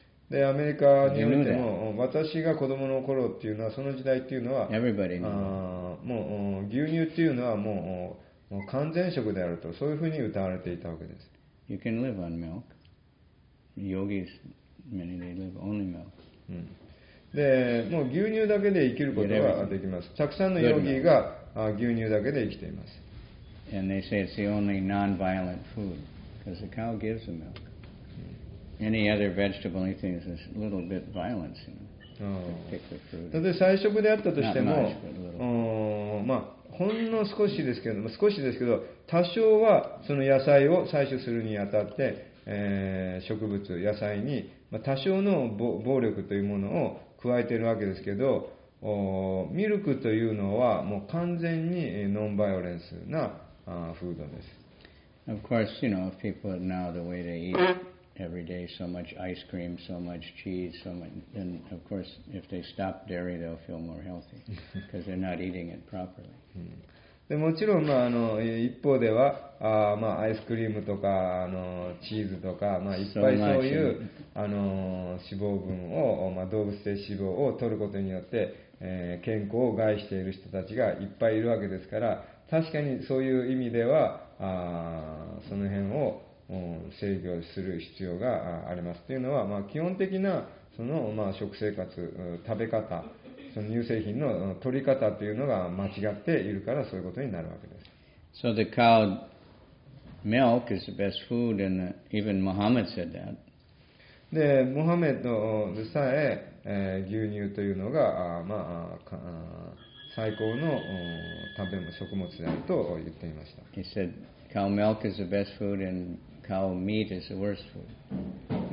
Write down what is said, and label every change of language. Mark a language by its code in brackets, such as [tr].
[ja] で、アメリカにおいても、私が子供の頃っていうのは、その時代っていうのは、 [en] Everybody knew. [ja] もう牛乳っていうのはもう、もう完全食であると、そういうふうに歌われていたわけです。 [en] You can live on milk. Yogis, many they live only milk. [ja] でもう牛乳だけで生きることができます。たくさんのヨギが牛乳だけで生きています。 [en] And they say it's the only non-violent food because the cow gives the milk. Any other vegetable anything is a little bit violent, you know, particularly fruit. [ja] で菜食であったとしても、まあ、ほんの少しですけども、少しですけど多少はその野菜を採取するにあたって、植物野菜に多少の暴力というものを加えているわけですけど、ミルクというのはもう完全にノンバイオレンスなフードです。 [en] Of course, you know, people now the way they eat every day, so much ice cream, so much cheese, so much, then of course, if they stop dairy, they'll feel more healthy because they're not eating it properly. [ja] でもちろん、まあ、一方では、まあ、アイスクリームとかチーズとか、まあ、いっぱいそういう脂肪分を、まあ、動物性脂肪を取ることによって、健康を害している人たちがいっぱいいるわけですから、確かにそういう意味ではその辺を制御する必要がありますというのは、まあ、基本的なその、まあ、食生活、食べ方、その乳製品の取り方というのが間違っているからそういうことになるわけです。 [en] So the cow milk is the best food, and even Muhammad said that. [ja] で、モハメドでさえ、牛乳というのが、まあ、最高の食べ物、食物であると言っていました。 [en] He said cow milk is the best food and cow meat is the worst food.